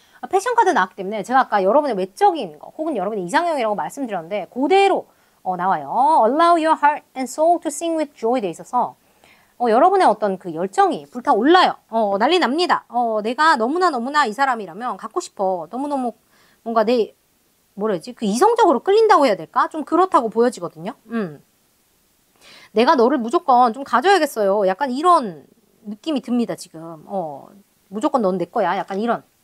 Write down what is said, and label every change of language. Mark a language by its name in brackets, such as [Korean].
[Korean] 패션 카드 나왔기 때문에 제가 아까 여러분의 외적인 거 혹은 여러분의 이상형이라고 말씀드렸는데 그대로 나와요. [English] Allow your heart and soul to sing with joy [Korean] 돼 있어서 여러분의 어떤 그 열정이 불타올라요. 난리 납니다. 내가 너무나 너무나 이 사람이라면 갖고 싶어. 너무너무 뭔가 내 뭐라 해야지? 그 이성적으로 끌린다고 해야 될까? 좀 그렇다고 보여지거든요. 내가 너를 무조건 좀 가져야겠어요. 약간 이런 느낌이 듭니다, 지금. 무조건 넌내 거야. 약간 이런.